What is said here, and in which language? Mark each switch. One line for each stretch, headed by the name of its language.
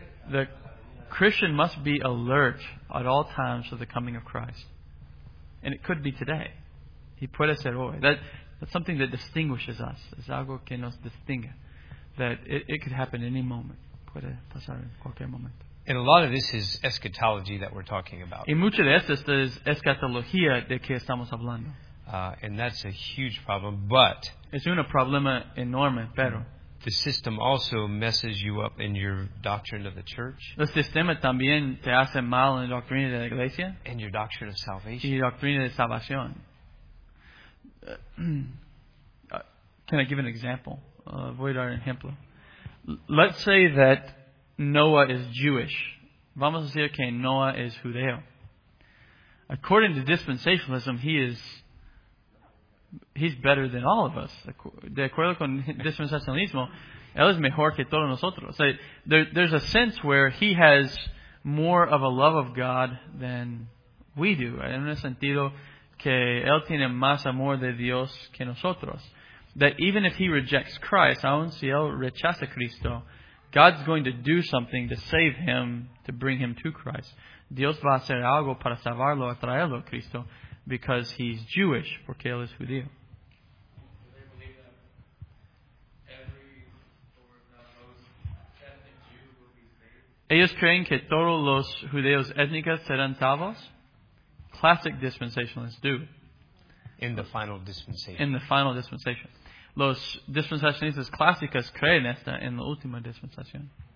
English: The Christian must be alert at all times for the coming of Christ. And it could be today. He put us at hoy. That's something that distinguishes us.
Spanish: Es algo que nos distingue.
English: That it could happen any moment.
Spanish: Puede pasar en cualquier momento.
English: And a lot of this is eschatology that we're talking about.
Spanish: Y mucho de esto es escatología de que estamos hablando.
English: And that's a huge problem, but...
Spanish: Es un problema enorme, pero...
English: The system also messes you up in your doctrine of the church.
Spanish: El sistema también te hace mal en la doctrina de la iglesia.
English: And your doctrine of salvation.
Spanish: Y doctrina de salvación.
English: Can I give an example?
Spanish: Voy a dar un ejemplo.
English: Let's say that Noah is Jewish.
Spanish: Vamos a decir que Noah es judeo.
English: According to dispensationalism, he's better than all of us.
Spanish: De acuerdo con dispensacionalismo, él es mejor que todos nosotros.
English: So there's a sense where he has more of a love of God than we do.
Spanish: En un sentido que él tiene más amor de Dios que nosotros.
English: That even if he rejects Christ,
Spanish: aun si él rechaza Cristo,
English: God's going to do something to save him, to bring him to Christ.
Spanish: Dios va a hacer algo para salvarlo, a traerlo a Cristo,
English: because he's Jewish,
Spanish: porque él es judío.
English: Do they believe that every foreigner knows ethnic Jews are saved?
Spanish: Ellos creen que todos los judíos étnicos serán salvos?
English: Classic dispensationalists do. In the final dispensation.
Spanish: Los dispensacionistas clásicos creen esta en la última dispensación.